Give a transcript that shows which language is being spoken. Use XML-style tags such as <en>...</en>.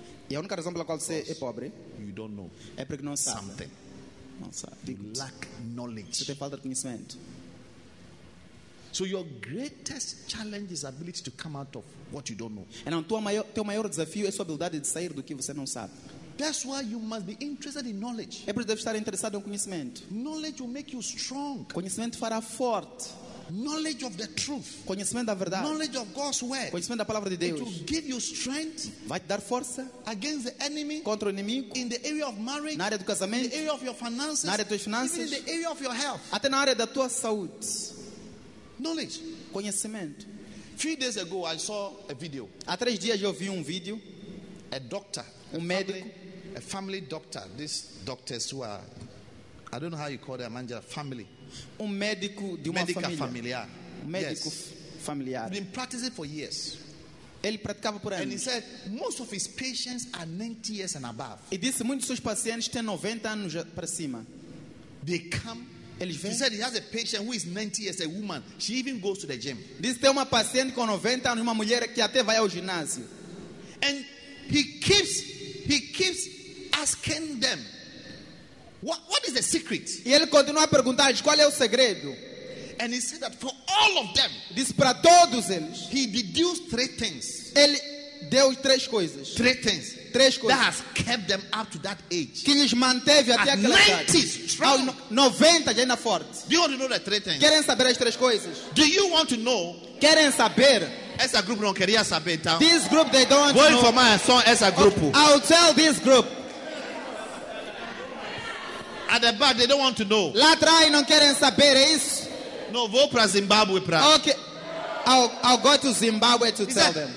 <pt>E a única razão pela qual você é pobre.</pt> <en>You don't know.</en> <pt>É porque não sabe.</pt> <en>Something.</en> <pt>Não sabe.</pt> <en>You lack knowledge.</en> <pt>Você tem falta de conhecimento.</pt> <en>So your greatest challenge is ability to come out of what you don't know.</en> <pt>E não, teu maior desafio é sua habilidade de sair do que você não sabe.</pt> <en>That's why you must be interested in knowledge.</en> <pt>É por isso que deve estar interessado em conhecimento.</pt> <en>Knowledge will make you strong.</en> <pt>Conhecimento fará forte.</pt> <en>Knowledge of the truth.</en> <pt>Conhecimento da verdade.</pt> <en>Knowledge of God's word.</en> <pt>Conhecimento da palavra de Deus.</pt> <en>It will give you strength.</en> <pt>Vai te dar força.</pt> <en>Against the enemy.</en> <pt>Contra o inimigo.</pt> <en>In the area of marriage.</en> <pt>Na área do casamento.</pt> <en>In the area of your finances.</en> <pt>Na área das finanças.</pt> <en>Even in the area of your health.</en> <pt>Até na área da tua saúde.</pt> <en>Knowledge.</en> <pt>Conhecimento.</pt> <en>Few days ago, I saw a video.</en> <pt>Há três dias eu vi vídeo.</pt> <en>A doctor.</en> <pt>Médico.</pt> <en>A family doctor, these doctors who are, I don't know how you call them, manager family.</en> <pt>Médico de uma médica família. Familiar. Médico, yes. Familiar.</pt> <en>Been practicing for years.</en> <pt>Ele praticava por anos.</pt> <en>And he said most of his patients are 90 years and above.</en> <pt>E disse muitos dos seus pacientes têm 90 anos para cima.</pt> <en>They come</en> <pt>Eles vêm.</pt> <en>He said he has a patient who is 90 years, a woman. She even goes to the gym.</en> <pt>Diz tem uma paciente com 90 anos, uma mulher que até vai ao ginásio.</pt> <en>And he keeps asking them, what is the secret?</en> <pt>E ele continua a perguntar, qual é o segredo?</pt> <en>And he said that for all of them,</en> <pt>diz para todos eles,</pt> <en>he deduced three things.</en> <pt>Ele deu três coisas.</pt> <en>Three things.</en> <pt>Três coisas.</pt> <en>That has kept them up to that age.</en> <pt>Que lhes manteve até</pt> <en>at</en> <pt>aquela 90, idade.</pt> <en>Strong.</en> <pt>90 já ainda forte.</pt> <en>Do you want to know the three things?</en> <pt>Querem saber as três coisas?</pt> <en>Do you want to know?</en> <pt>Querem saber? Essa grupo não queria saber, então.</pt> <en>This group they don't know.</en> <pt>Vou informar a só essa grupo.</pt> <en>I'll tell this group. At the back they don't want to know.</en> <pt>Lá atrás não querem saber isso. No, vou para Zimbabwe para.</pt> <en>Okay. I'll go to Zimbabwe to tell them.</en>